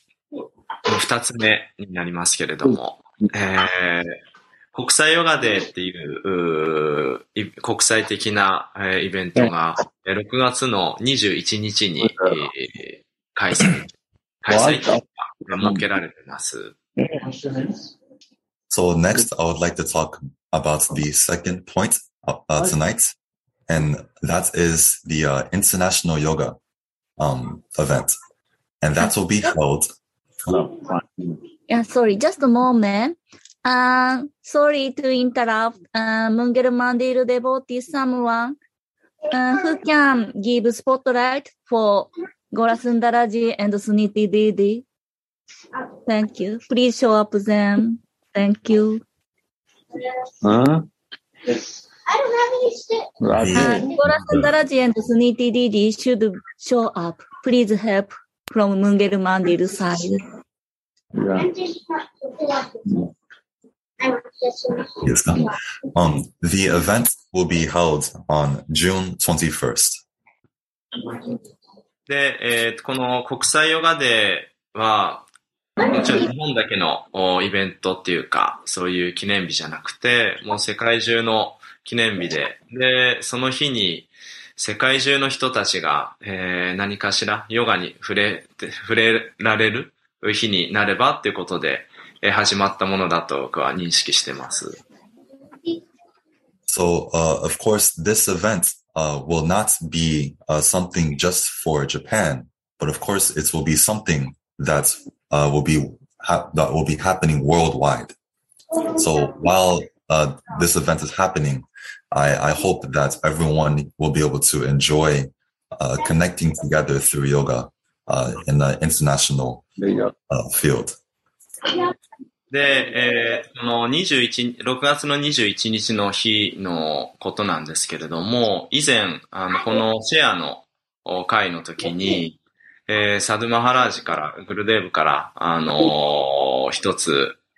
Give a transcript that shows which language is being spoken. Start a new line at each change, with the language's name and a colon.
Japanese: 二つ目になりますけれども、国際ヨガデーっていう国際的なイベントが6月の21日に開催が設けられています。
English: So next, I would like to talk about the second point tonight, and that is the International Yoga event, and that will be held. Yeah, sorry, just a moment. Sorry to interrupt. Mungeru Mandir devotee, someone who can give spotlight for Gaura Sundaraji and Suniti Didi. Thank you. Please show up them. Thank you. Huh? I don't have any stick. Gaura Sundaraji and Suniti Didi should show up. Please help from Mungeru Mandir side. Yes. The event will be held on June 21st.
Japanese: で、この国際ヨガデーはもちろん日本だけのイベントっていうか、そういう記念日じゃなくて、もう世界中の記念日で、で、その日に世界中の人たちが、何かしらヨガに触れられる日になればっていうことで、始まったものだと僕は認識してます。
English: So, of course, this event, will not be, something just for Japan, but of course, it will be something that'sthat will be happening worldwide. So while, this event is happening, I hope that everyone will be able to enjoy, connecting together through yoga, in the international, field.
Japanese: で、この6月の21日の日のことなんですけれども、以前、このシェアの会の時に、サドゥマハラージから、グルデーブから、一つ、